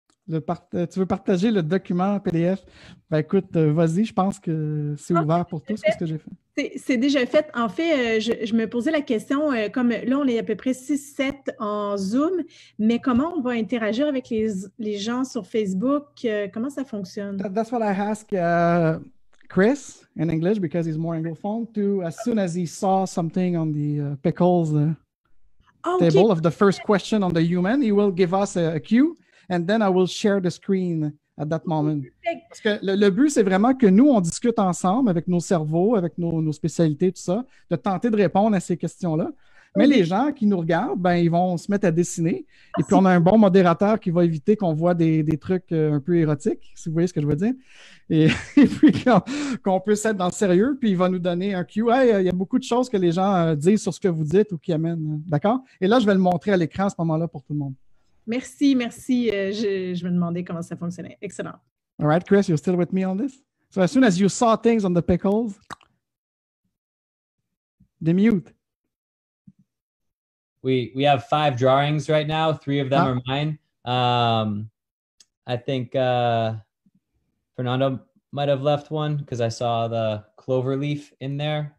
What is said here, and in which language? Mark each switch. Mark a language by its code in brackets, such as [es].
[fr] Tu veux partager le document PDF? Ben écoute, vas-y, je pense que c'est ouvert pour tous, ce que j'ai fait. C'est déjà fait. En fait, je me posais la question, comme là, on est à peu près 6-7 en Zoom, mais comment on va interagir avec les gens sur Facebook? Comment ça fonctionne? [en] That's what I ask Chris in English, because he's more anglophone, to as soon as he saw something on the Pickles table of the first question on the human, he will give us a cue. And then I will share the screen at that moment. [fr] Parce que le but, c'est vraiment que nous, on discute ensemble avec nos cerveaux, avec nos spécialités, tout ça, de tenter de répondre à ces questions-là. Mais les gens qui nous regardent, ben, ils vont se mettre à dessiner. Et puis, on a un bon modérateur qui va éviter qu'on voit des trucs un peu érotiques, si vous voyez ce que je veux dire. Et puis, qu'on puisse être dans le sérieux. Puis, il va nous donner un cue. Hey, il y a beaucoup de choses que les gens disent sur ce que vous dites ou qui amènent. D'accord? Et là, je vais le montrer à l'écran à ce moment-là pour tout le monde. Merci, merci. Je me demandais comment ça fonctionnait. Excellent. [en] All right, Chris, you're still with me on this? So as soon as you saw things on the Pickles, the mute. We have 5 drawings right now. 3 of them are mine. I think Fernando might have left one because I saw the clover leaf in there.